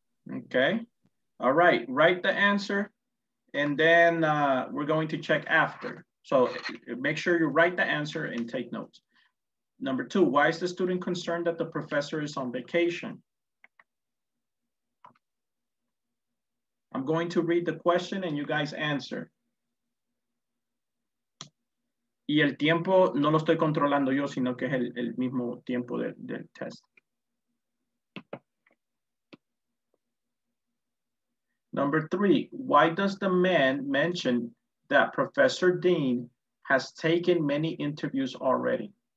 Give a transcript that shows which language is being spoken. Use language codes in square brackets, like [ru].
[en] Okay, all right, write the answer, and then we're going to check after. So make sure you write the answer and take notes. Number two, why is the student concerned that the professor is on vacation? I'm going to read the question and you guys answer. [es] Y el tiempo no lo estoy controlando yo, sino que es el mismo tiempo del test. [en] Number three, why does the man mention that Professor Dean has taken many interviews already?